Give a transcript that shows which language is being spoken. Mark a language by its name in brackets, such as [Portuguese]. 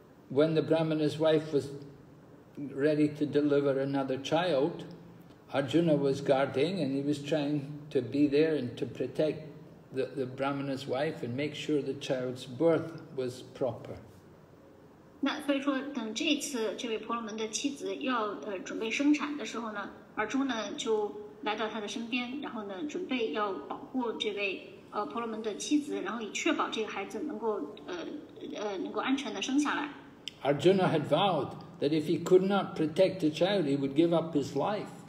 [English] when the Brahmana's wife was ready to deliver another child, Arjuna was guarding and he was trying to be there and to protect the Brahmana's wife and make sure the child's birth was proper. [Chinese] 那所以说，等这次这位婆罗门的妻子要准备生产的时候呢，Arjuna就来到他的身边，然后呢，准备要保护这位婆罗门的妻子，然后以确保这个孩子能够安全的生下来。Arjuna [English] had vowed that if he could not protect the child, he would give up his life.